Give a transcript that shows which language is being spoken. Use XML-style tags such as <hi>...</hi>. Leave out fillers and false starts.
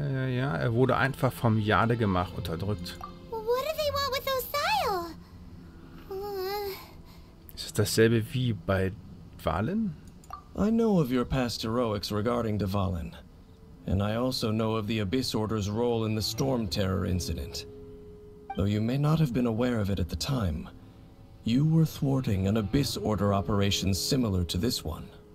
<de>Ja, er wurde einfach vom Jade gemacht, unterdrückt.</de> <en>What do they want with Osile?</en> <de>Ist es dasselbe wie bei Valen?</de> <en>I know of your past heroics regarding Valen. And I also know of the Abyss Order's role in the Storm Terror incident. Though you may not have been aware of it at the time, you were thwarting an Abyss Order operation similar to this one.</en>